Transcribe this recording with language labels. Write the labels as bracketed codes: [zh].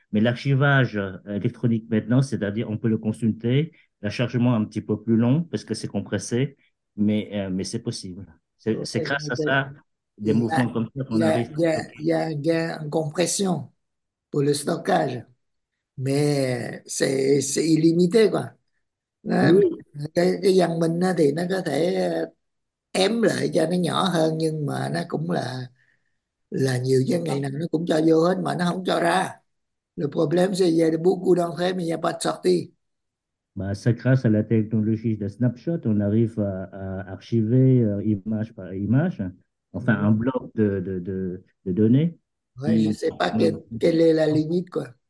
[fr] Mais l'archivage électronique maintenant, c'est-à-dire on peut le consulter, le chargement un petit peu plus long parce que c'est compressé, mais c'est possible. C'est grâce à ça. Des mouvements comme ça qu'on arrive à stocker. Il y a un gain en compression pour le stockage, mais c'est illimité, quoi. Oui. [vi] Cái dân mình á, thì nó có thể ém lại cho nó nhỏ hơn, nhưng mà nó cũng là nhiều chứ, ngày nào nó cũng cho vô hết mà nó không cho ra. [fr] Le problème c'est qu'il y a beaucoup d'entrées, mais il n'y a pas de sortie. Bah, c'est grâce à la technologie de snapshot, on arrive à archiver image par image. Enfin, un bloc de données Ouais, je qui. sais pas quelle est la limite, quoi.